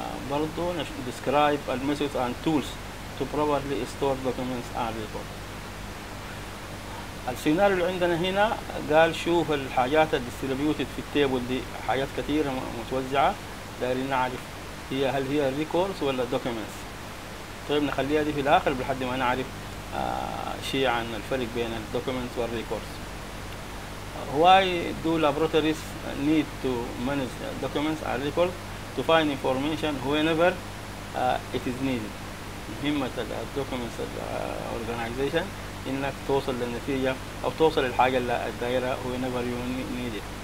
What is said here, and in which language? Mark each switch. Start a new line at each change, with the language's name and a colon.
English: برضو describe the methods and tools to properly store documents and records.
Arabic: السيناريو اللي عندنا هنا قال شوف الحاجات ال distributed في التيبل دي، حاجات كثيرة متوزعة، دايرين نعرف هي هل هي records ولا documents. طيب نخليها دي في الآخر لحد ما نعرف شيء عن الفرق بين ال documents وال records.
English: Why do laboratories need to manage documents and records? To find information whenever it is needed.
Arabic: مهمة الـ documents organization إنك توصل للنتيجة أو توصل للحاجة اللي دايرها
English: whenever you need it.